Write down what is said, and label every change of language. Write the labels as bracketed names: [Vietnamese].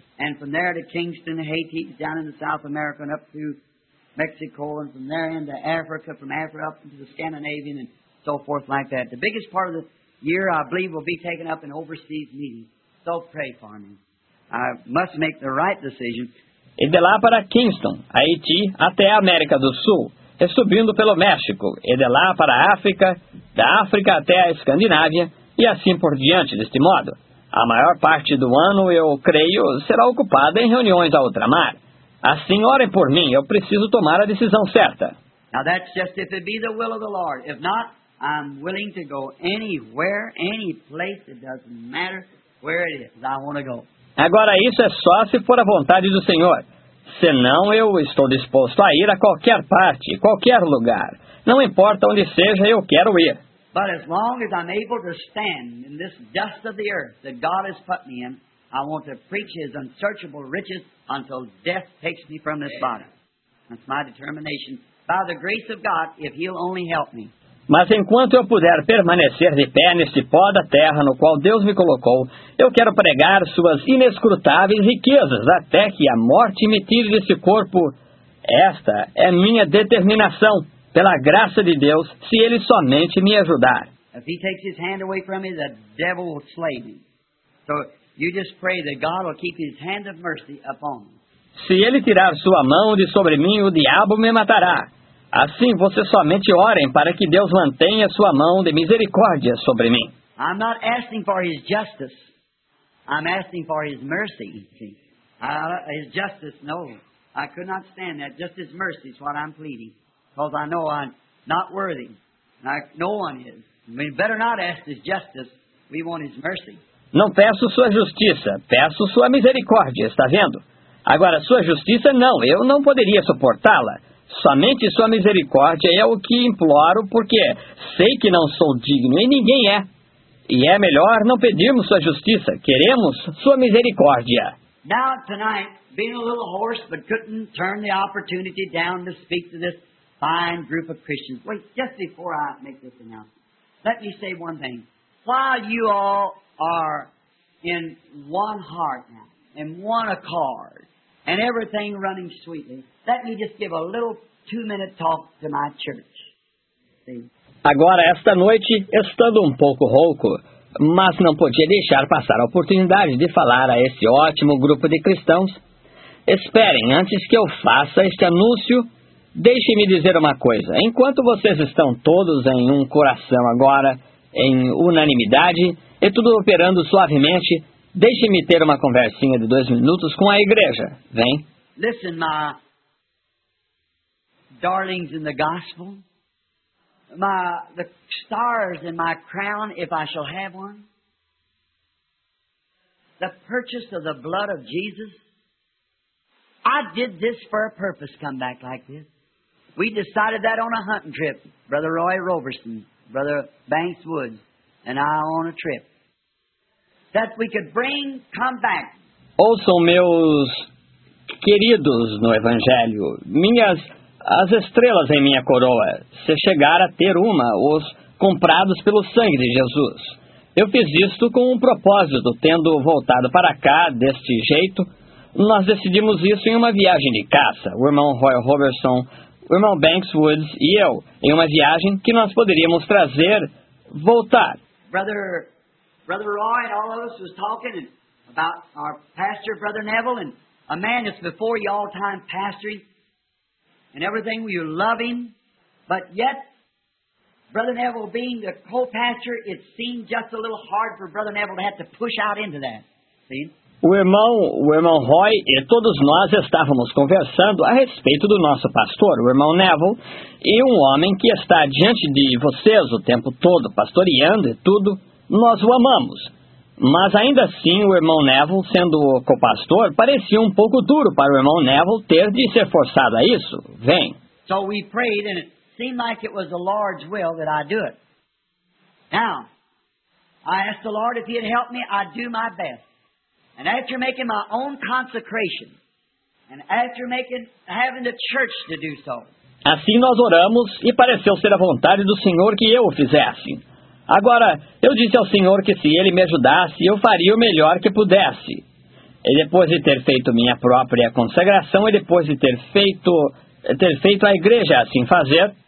[English] And from there to Kingston, Haiti, down in the South America, and up to Mexico, and from there into Africa, from Africa up into the Scandinavian, and so forth like that. The biggest part of the year, I believe, will be taken up in overseas meetings. So pray for me. I must make the right decision. [Portuguese] E de lá para Kingston, Haiti, até a América do Sul, e subindo pelo México, e de lá para a África, da África até a Escandinávia, e assim por diante, deste modo. A maior parte do ano, eu creio, será ocupada em reuniões a ultramar. Assim, orem por mim, eu preciso tomar a decisão certa. [English] Now that's just if it be the will of the Lord. If not, I'm willing to go anywhere, any place, it doesn't matter where it is, I want to go. [Portuguese] Agora, isso é só se for a vontade do Senhor. Senão, eu estou disposto a ir a qualquer parte, qualquer lugar. Não importa onde seja, eu quero ir. [English] But as long as I'm able to stand in this dust of the earth that God has put me in, I want to preach His unsearchable riches until death takes me from this body. That's my determination. By the grace of God, if He'll only help me. [Portuguese] Mas enquanto eu puder permanecer de pé neste pó da terra no qual Deus me colocou, eu quero pregar suas inescrutáveis riquezas até que a morte me tire deste corpo. Esta é minha determinação, pela graça de Deus, se Ele somente me ajudar. [English] If He takes His hand away from me, the devil will slay me. So you just pray that God will keep His hand of mercy upon me. [Portuguese] Se Ele tirar sua mão de sobre mim, o diabo me matará. Assim, vocês somente orem para que Deus mantenha sua mão de misericórdia sobre mim. [English] I'm not asking for His justice. I'm asking for His mercy. His justice, no. I could not stand that. Just His mercy is what I'm pleading. Because I know I'm not worthy. No one is. We better not ask His justice. We want His mercy. [Portuguese] Não peço sua justiça. Peço sua misericórdia, está vendo? Agora, sua justiça, não. Eu não poderia suportá-la. Somente sua misericórdia é o que imploro, porque sei que não sou digno e ninguém é. E é melhor não pedirmos sua justiça, queremos sua misericórdia. [English] Now, tonight, being a little hoarse, but couldn't turn the opportunity down to speak to this fine group of Christians. Wait, just before I make this announcement, let me say one thing. While you all are in one heart now, in one accord, and everything running sweetly, let me just give a little 2-minute talk to my church. See? [Portuguese] Agora, esta noite, estando um pouco rouco, mas não podia deixar passar a oportunidade de falar a esse ótimo grupo de cristãos. Esperem, antes que eu faça este anúncio, deixe-me dizer uma coisa. Enquanto vocês estão todos em um coração agora, em unanimidade, e tudo operando suavemente, deixe-me ter uma conversinha de 2 minutos com a igreja. Vem. [English] Listen, my darlings in the gospel. My, the stars in my crown, if I shall have one. The purchase of the blood of Jesus. I did this for a purpose, come back like this. We decided that on a hunting trip, Brother Roy Roberson, Brother Banks Woods, and I on a trip. That we could bring, come back. [Portuguese] Ouçam, meus queridos no Evangelho, minhas as estrelas em minha coroa, se chegar a ter uma, os comprados pelo sangue de Jesus. Eu fiz isto com um propósito, tendo voltado para cá deste jeito. Nós decidimos isso em uma viagem de caça, o irmão Roy Roberson, o irmão Banks Woods e eu, em uma viagem que nós poderíamos trazer, voltar. [English] Brother Roy and all of us was talking about our pastor, Brother Neville, and a man that's before you all time pastoring, and everything, you love him, but yet, Brother Neville being the co-pastor, it seemed just a little hard for Brother Neville to have to push out into that, see? [Portuguese] O irmão Roy e todos nós estávamos conversando a respeito do nosso pastor, o irmão Neville, e um homem que está diante de vocês o tempo todo, pastoreando e tudo, nós o amamos. Mas ainda assim, o irmão Neville, sendo o co-pastor, parecia um pouco duro para o irmão Neville ter de ser forçado a isso. Vem. [English] So we prayed and it seemed like it was the Lord's will that I do it. Now, I asked the Lord if he'd help me, I'd do my best. And after making my own consecration, and after making, having the church to do so. [Portuguese] Assim nós oramos, e pareceu ser a vontade do Senhor que eu o fizesse. Agora, eu disse ao Senhor que se Ele me ajudasse, eu faria o melhor que pudesse. E depois de ter feito minha própria consagração, e depois de ter feito a igreja assim fazer.